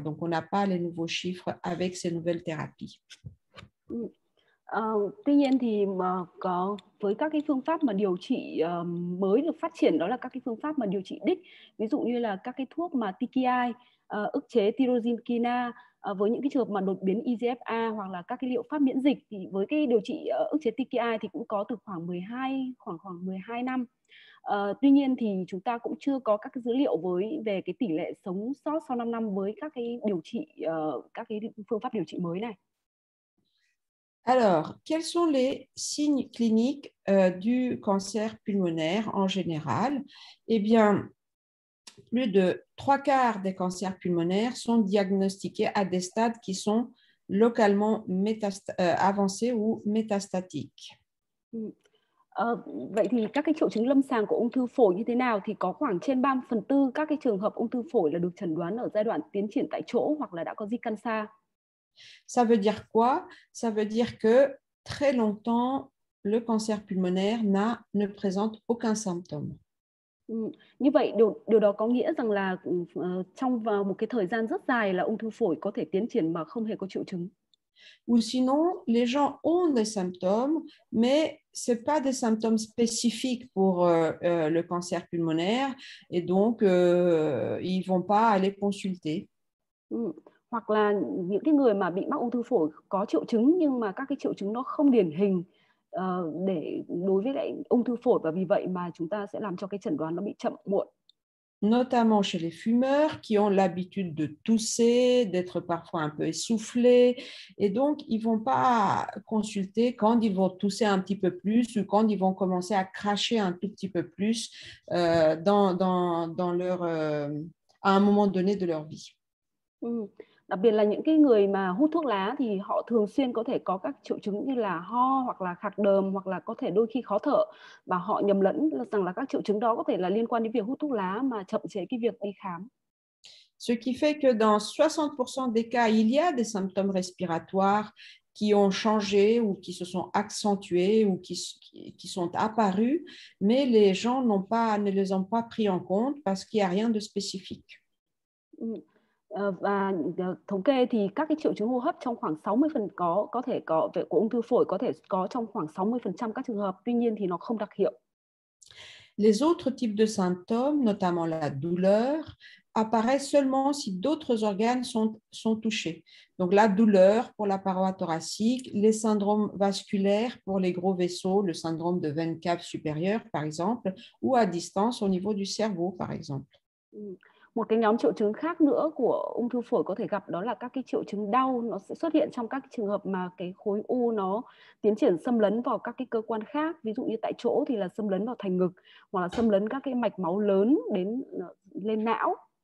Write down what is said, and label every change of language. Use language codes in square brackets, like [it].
[fr] Donc, on n'a pas les nouveaux chiffres avec ces nouvelles thérapies. [vi] Tuy nhiên thì có với các cái phương pháp mà điều trị mới được phát triển, đó là các cái phương pháp mà điều trị đích, ví dụ như là các cái thuốc mà TKI ức chế tyrosine kina, với những cái trường hợp mà đột biến EGFA hoặc là các cái liệu pháp miễn dịch, thì với cái điều trị ức chế TKI thì cũng có từ khoảng 12 năm. Tuy nhiên thì chúng ta cũng chưa có các cái dữ liệu với về cái tỷ lệ sống sót sau 5 năm với các cái điều trị các cái phương pháp điều trị mới này. [fr] Alors, quels sont les signes cliniques du cancer pulmonaire en général? Eh bien, plus de 3/4 des cancers pulmonaires sont diagnostiqués à des stades qui sont localement avancés ou métastatiques. [vi] Vậy thì các cái triệu chứng lâm sàng của ung thư phổi như thế nào? Thì có khoảng trên 3/4 các cái trường hợp ung thư phổi là được chẩn đoán ở giai đoạn tiến triển tại chỗ hoặc là đã có di căn xa. [fr] Ça veut dire quoi? Ça veut dire que très longtemps, le cancer pulmonaire ne présente aucun symptôme. [vi] Như vậy, điều đó có nghĩa rằng là trong một cái thời gian rất dài là ung thư phổi có thể tiến triển mà không hề có triệu chứng. [fr] Ou sinon, les gens ont des symptômes, mais ce n'est pas des symptômes spécifiques pour le cancer pulmonaire, et donc ils ne vont pas aller consulter. [vi] Hoặc là những cái người mà bị mắc ung thư phổi có triệu chứng nhưng mà các cái triệu chứng nó không điển hình để đối với lại ung thư phổi, và vì vậy mà chúng ta sẽ làm cho cái chẩn đoán nó bị chậm muộn. [fr] Notamment chez les fumeurs qui ont l'habitude de tousser, d'être parfois un peu essoufflés. Et donc, ils ne vont pas consulter quand ils vont tousser un petit peu plus ou quand ils vont commencer à cracher un tout petit peu plus à un moment donné de leur vie. [vi] Đặc biệt là những cái người mà hút thuốc lá thì họ thường xuyên có thể có các triệu chứng như là ho hoặc là khạc đờm hoặc là có thể đôi khi khó thở, và họ nhầm lẫn rằng là các triệu chứng đó có thể là liên quan đến việc hút thuốc lá mà chậm trễ cái việc đi khám. [fr] Ce qui fait que dans 60% des cas, il y a des symptômes respiratoires qui ont changé ou qui se sont accentués ou qui sont apparus, mais les gens ne les ont pas pris en compte parce qu'il n'y a rien de spécifique. [vi] Và thống kê thì các cái triệu chứng hô hấp trong khoảng 60% của ung thư phổi có thể có trong khoảng 60% các trường hợp, tuy nhiên thì nó không đặc hiệu. [fr] Les autres types de symptômes, notamment la douleur, apparaissent seulement si d'autres organes sont touchés. Donc la douleur pour la paroi thoracique, les syndromes vasculaires pour les gros vaisseaux, le syndrome de veine cave supérieure par exemple, ou à distance au niveau du cerveau par exemple. [vi] Một cái nhóm triệu chứng khác nữa của ung thư phổi có thể gặp đó là các cái triệu chứng đau, nó sẽ xuất hiện trong các trường hợp mà cái khối u nó tiến triển xâm lấn vào các cái cơ quan khác, ví dụ như tại chỗ thì là xâm lấn vào thành ngực hoặc là xâm lấn các cái mạch máu lớn đến lên não.